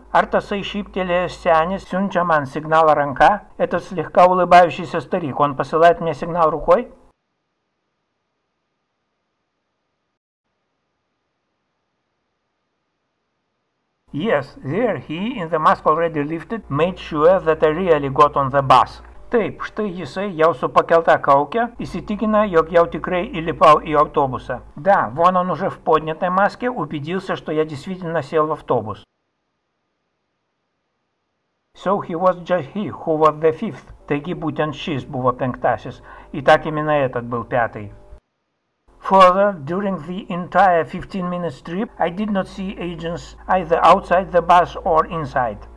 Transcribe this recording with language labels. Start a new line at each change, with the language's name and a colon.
Lithuanian: Ar tasai šyptelėjęs senis siunčia man signalą ranka?
Russian: Этот слегка улыбающийся старик, он посылает мне сигнал рукой?
English: Yes, there he, in the mask already lifted, made sure that I really got on the bus.
Lithuanian: Taip, štai jisai jau su pakelta kauke įsitikina, jog jau tikrai įlipau į autobusą.
Russian: Da, vono on уже в поднятой маске убедился, что я действительно сел в автобус.
English: So he was just he, who was the fifth.
Lithuanian: Taigi būtent šis buvo penktasis.
Russian: И так именно этот был пятый.
English: Further, during the entire 15-minute trip, I did not see agents either outside the bus or inside.